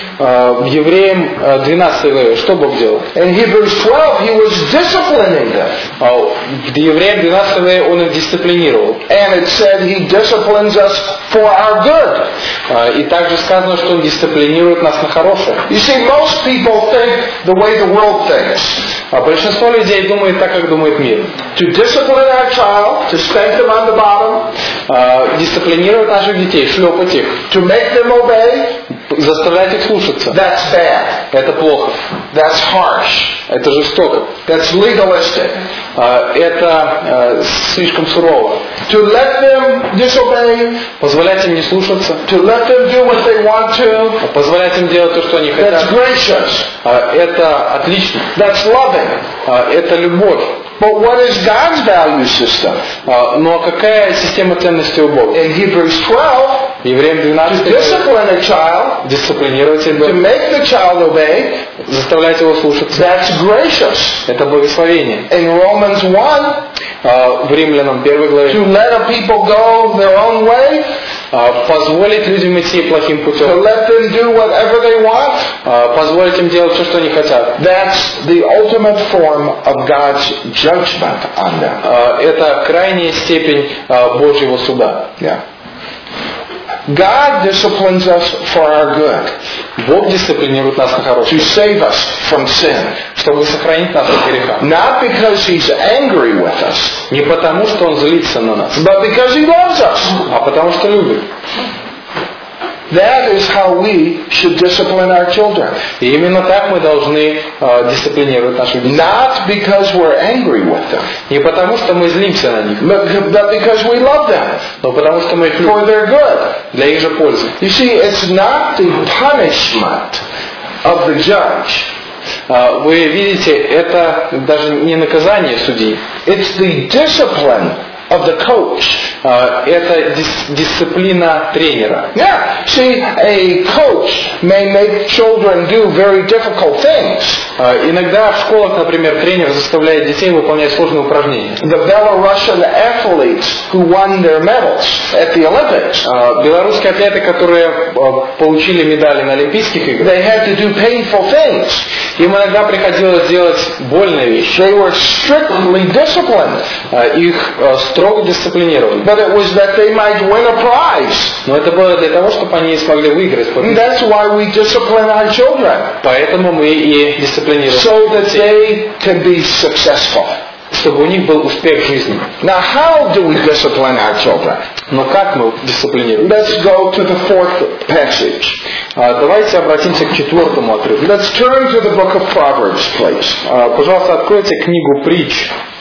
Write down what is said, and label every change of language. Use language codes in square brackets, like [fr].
[ru] В Евреям 12 главе что Бог делал? [en] In Hebrews 12, he was disciplining them. [ru] В Евреям 12 главе он их дисциплинировал. [en] And it said he disciplines us for our good. [ru] И также сказано, что он дисциплинирует нас на хорошее. [en] You see, most people think the way the world thinks. [ru] Большинство людей думает так, как думает мир. [en] To discipline our child, to spank them on the bottom. [ru] Дисциплинировать наших детей, шлепать их. [en] To make them obey. [ru] Заставлять их слушаться. [en] That's bad. [ru] Это плохо. [en] That's harsh. [ru] Это жестоко. [en] That's legalistic. [ru] Это слишком сурово. [en] To let them disobey. [ru] Позволять им не слушаться. [en] To let them do what they want to. [ru] Позволять им делать то, что они хотят. [en] That's gracious. [ru] Это отлично. [en] That's loving. [ru] Это любовь. [en] But what is God's value system? [ru] Но какая система ценностей у Бога? [en] In Hebrews 12, [ru] Евреям 12, [en] to discipline a child, [ru] дисциплинировать ребенка, [en] to make the child obey, [ru] заставлять его слушаться, [en] that's gracious. [ru] Это благословение. [en] In Romans 1, [ru] в Римлянам 1 главе, [en] to let a people go their own way, [ru] позволить людям идти плохим путем, [en] to let them do whatever they want, [ru] позволить им делать все, что они хотят, [en] that's the ultimate form of God's judgment on them. [ru] Это крайняя степень Божьего суда. [en] Yeah. God disciplines us for our good. [ru] Бог дисциплинирует нас на хорошее. [en] To save us from sin. [ru] Чтобы сохранить нас от греха. [en] Not because he's angry with us. [ru] Не потому, что он злится на нас. [en] But because he loves us. [ru] А потому, что любит. [en] That is how we should discipline our children. [ru] И именно так мы должны дисциплинировать наших детей. [en] Not because we're angry with them. [ru] Не потому что мы злимся на них. [en] But because we love them. [ru] Но потому что мы их любим. [en] For their good. [ru] Для их же пользы. [en] You see, it's not the punishment of the judge. [ru] Вы видите, это даже не наказание судьи. [en] It's the discipline of the coach. [ru] Это дисциплина тренера. [en] Yeah. See, a coach may make children do very difficult things. [ru] Иногда в школах, например, тренер заставляет детей выполнять сложные упражнения. [en] The Belarusian athletes who won their medals at the Olympics. [ru] Белорусские атлеты, которые получили медали на Олимпийских играх. [en] They had to do painful things. [ru] Им иногда приходилось делать больные вещи. [en] They were strictly disciplined. [ru] Их строго дисциплинировали. [en] But it was that they might win a prize. [ru] Но это было для того, чтобы они смогли выиграть. [en] And that's why we discipline our children. [ru] Поэтому мы и дисциплинируем. [en] So that they can be successful. [ru] Чтобы у них был успех в жизни. [en] Now how do we discipline our children? [ru] Но как мы дисциплинируем? [en] Let's go to the fourth passage. [ru] Давайте обратимся к четвертому отрывку. [en] Let's turn to the book of Proverbs, please. [ru] Пожалуйста, откройте книгу Притч.